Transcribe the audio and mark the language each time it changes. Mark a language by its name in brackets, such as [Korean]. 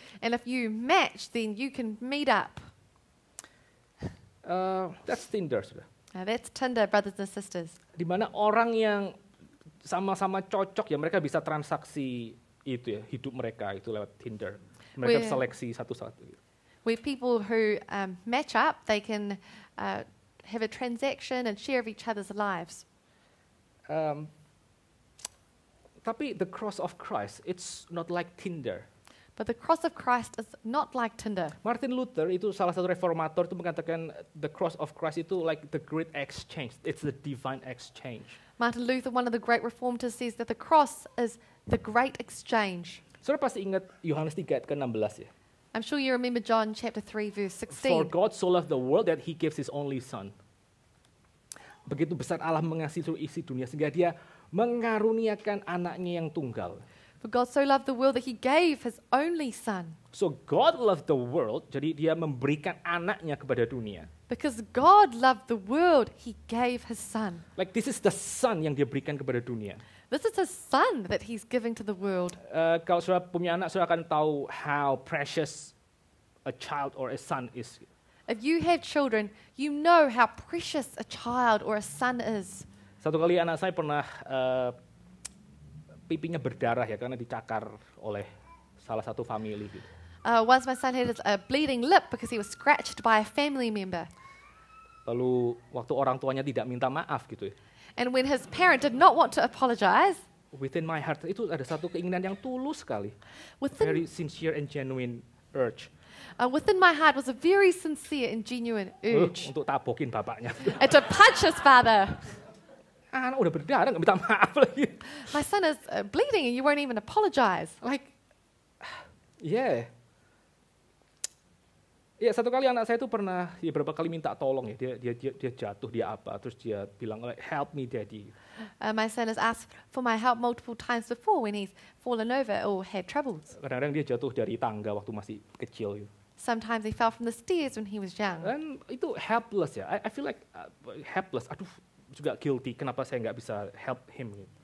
[English] And if you match, then you can meet up. That's Tinder, [Indonesian] saudara. [English] Now that's Tinder, brothers and sisters. [Indonesian] Di mana orang yang sama-sama cocok, ya mereka bisa transaksi itu ya, hidup mereka itu lewat Tinder. Mereka seleksi satu-satu. [English] Where people who match up, they can have a transaction and share of each other's lives. [Indonesian] Tapi [English] the cross of Christ, it's not like Tinder. But the cross of Christ is not like Tinder. Martin Luther, [Indonesian] itu salah satu reformator, itu mengatakan [English] the cross of Christ [Indonesian] itu [English] like the great exchange. It's the divine exchange. Martin Luther, one of the great reformers, says that the cross is the great exchange. [Indonesian] Saudara pasti ingat Yohanes 3 ayat ke-16 ya. [English] I'm sure you remember John chapter 3 verse 16. For God so loved the world that he gives his only son. [Indonesian] Begitu besar Allah mengasihi seluruh isi dunia sehingga dia mengaruniakan anaknya yang tunggal. [English] For God so loved the world that he gave his only son. So God loved the world, [Indonesian] jadi dia memberikan anaknya kepada dunia. [English] Because God loved the world, he gave his son. Like this is the son [Indonesian] yang dia berikan kepada dunia. [English] This is a son that he's giving to the world. [Indonesian] Kalau saudara punya anak, saudara akan tahu [English] how precious a child or a son is. If you have children, you know how precious a child or a son is. [Indonesian] Satu kali anak saya pernah pipinya berdarah ya, karena dicakar oleh salah satu family. [English] Once my son had a bleeding lip because he was scratched by a family member. [Indonesian] Lalu waktu orang tuanya tidak minta maaf gitu ya. [English] And when his parent did not want to apologize. Within my heart, [Indonesian] itu ada satu keinginan yang tulus sekali. [English] Very sincere and genuine urge. Within my heart was a very sincere and genuine urge. [Indonesian] Untuk tabokin bapaknya. [English] And to punch his father. [Indonesian] Anak udah berdarah, nggak minta maaf lagi. [English] My son is bleeding and you won't even apologize. Like, yeah. [Indonesian] Ya, satu kali anak saya itu pernah ya beberapa kali minta tolong ya. Dia jatuh, dia apa? Terus dia bilang [English] like help me daddy. My son has asked for my help multiple times before when he's fallen over or had troubles. [Indonesian] Kadang-kadang dia jatuh dari tangga waktu masih kecil gitu. [English] Sometimes he fell from the stairs when he was young. [Indonesian] Dan itu [English] helpless [Indonesian] ya. [English] I feel like helpless. [Indonesian] Aduh, juga guilty kenapa saya enggak bisa [English] help him [Indonesian] gitu.